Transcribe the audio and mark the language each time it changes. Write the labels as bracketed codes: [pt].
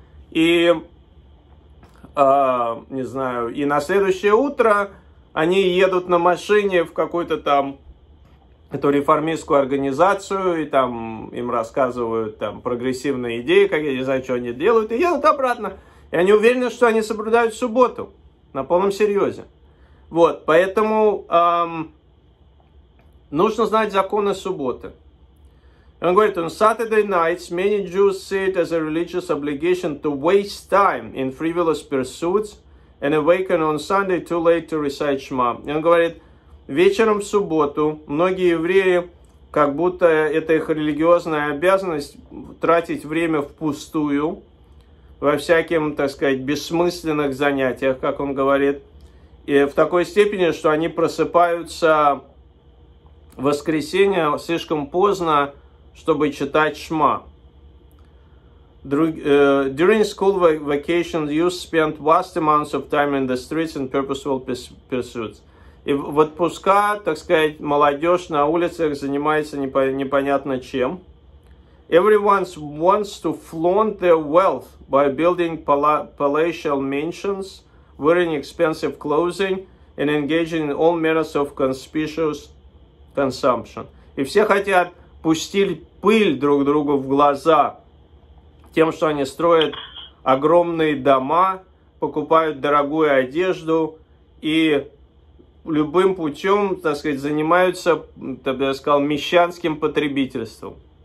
[ru] И, не знаю, и на следующее утро они едут на машине в какую-то там эту реформистскую организацию, и там им рассказывают там прогрессивные идеи, как я не знаю, что они делают, и едут обратно. И они уверены, что они соблюдают субботу на полном серьезе. Вот, поэтому нужно знать законы субботы. И он говорит, [en] on Saturday nights many Jews see it as a religious obligation to waste time in frivolous pursuits and awaken on Sunday too late to recite Shema. [ru] И он говорит, вечером в субботу многие евреи, как будто это их религиозная обязанность тратить время впустую во всяких, так сказать, бессмысленных занятиях, как он говорит, и в такой степени, что они просыпаются в воскресенье слишком поздно, чтобы читать Шма. [en] During school vacation, youth spent vast amounts of time in the streets and purposeful pursuits. [ru] И в отпуска, так сказать, молодежь на улицах занимается непонятно чем. [en] Everyone wants to flaunt their wealth by building palatial mansions, wearing expensive clothing, and engaging in all manners of conspicuous consumption. [ru] И все хотят пустить пыль друг другу в глаза тем, что они строят огромные дома, покупают дорогую одежду и любым путем, так сказать, занимаются, так бы я сказал, мещанским потребительством.